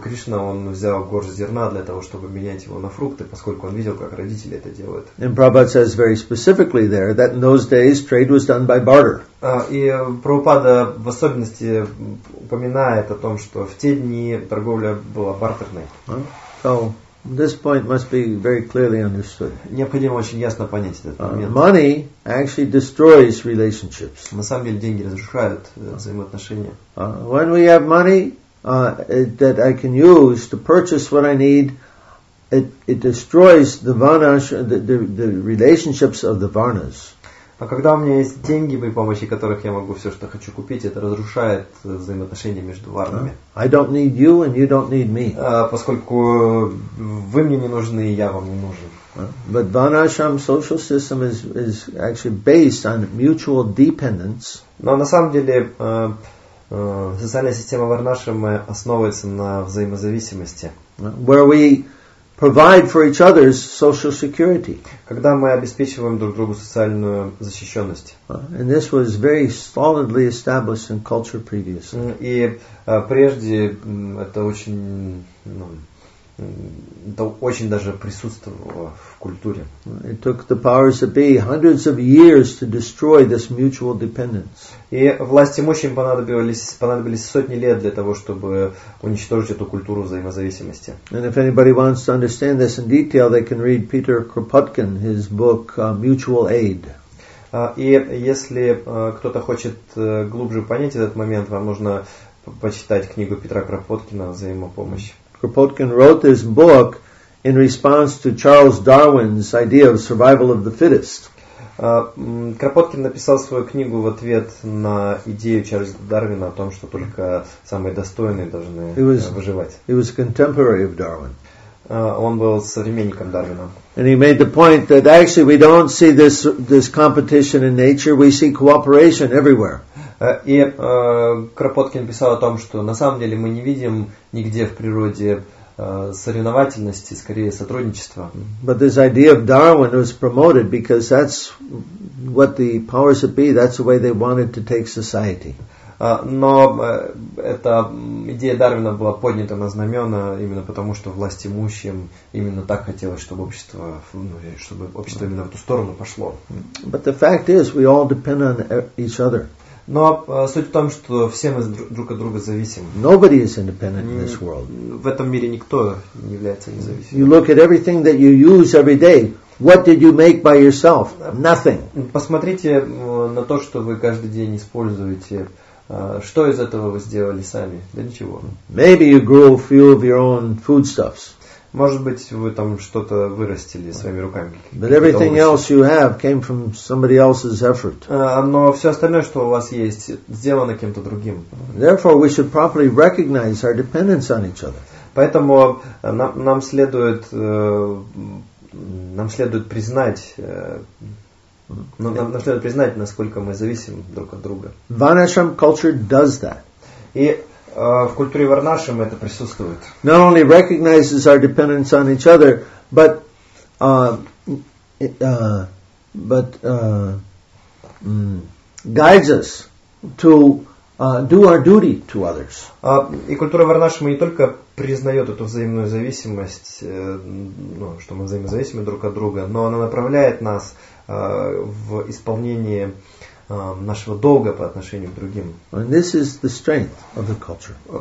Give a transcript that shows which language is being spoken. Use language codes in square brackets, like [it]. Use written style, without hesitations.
[ru] Кришна, он взял горсть зерна для того, чтобы менять его на фрукты, поскольку он видел, как родители это делают. [en] And Prabhupada says very specifically there that in those days trade was done by barter. [ru] И Прабхупада в особенности упоминает о том, что в те дни торговля была бартерной. [en] So this point must be very clearly understood. [ru] Необходимо очень ясно понять этот момент. [en] Money actually destroys relationships. [ru] На самом деле деньги разрушают взаимоотношения. [en] When we have money that I can use to purchase what I need, it destroys the varnas, the relationships of the varnas. [ru] А когда у меня есть деньги, при помощи которых я могу все, что хочу купить, это разрушает взаимоотношения между варнами. [en] I don't need you, and you don't need me. [ru] Поскольку вы мне не нужны, и я вам не нужен. [en] But Varnashram social system is actually based on mutual dependence. [ru] Но на самом деле социальная система Варнашрама основывается на взаимозависимости. [en] Where we provide for each other's social security. [ru] Когда мы обеспечиваем друг другу социальную защищенность. [en] And this was very solidly established in culture previously. [ru] И прежде это очень даже присутствовало в культуре. [en] It took the powers that be hundreds of years to destroy this mutual dependence. [ru] И власть имущим понадобились сотни лет для того, чтобы уничтожить эту культуру взаимозависимости. [en] And if anybody wants to understand this in detail, they can read Peter Kropotkin, his book Mutual Aid. [ru] И если кто-то хочет глубже понять этот момент, вам нужно почитать книгу Петра Кропоткина «Взаимопомощь». [en] Kropotkin wrote this book in response to Charles Darwin's idea of survival of the fittest. [ru] Kropotkin написал свою книгу в ответ на идею Чарльза Дарвина о том, что только самые достойные должны выживать. [en] He was a contemporary of Darwin. [ru] Он был современником Дарвина. [en] And he made the point that actually we don't see this competition in nature, we see cooperation everywhere. [ru] И Кропоткин писал о том, что на самом деле мы не видим нигде в природе соревновательности, скорее сотрудничества. [en] But this idea of Darwin was promoted because that's what the powers that be, that's the way they wanted to take society. [ru] Но эта идея Дарвина была поднята на знамена именно потому, что власть имущим именно так хотелось, чтобы общество именно в ту сторону пошло. [en] But the fact is, we all depend on each other. [ru] Но суть в том, что все мы друг от друга зависим. [en] Nobody is independent in this world. [ru] В этом мире никто не является независимым. [en] You look at everything that you use every day. What did you make by yourself? Nothing. [ru] Посмотрите на то, что вы каждый день используете. Что из этого вы сделали сами? Да ничего. [en] Maybe you grew a few of your own foodstuffs. [ru] Может быть, вы там что-то вырастили своими руками. [en] But everything else you have came from somebody else's effort. [ru] Но все остальное, что у вас есть, сделано кем-то другим. [en] Therefore, we should properly recognize our dependence on each other. [ru] Поэтому нам следует признать, насколько мы зависим друг от друга. [en] Varnashram culture does that. [ru] В культуре Варнашрам это присутствует. [en] Not only recognizes our dependence on each other, but guides us to do our duty to others. [ru] И культура Варнашрама не только признает эту взаимную зависимость, что мы взаимозависимы друг от друга, но она направляет нас в исполнение нашего долга по отношению к другим. [en] And this is the strength of the culture.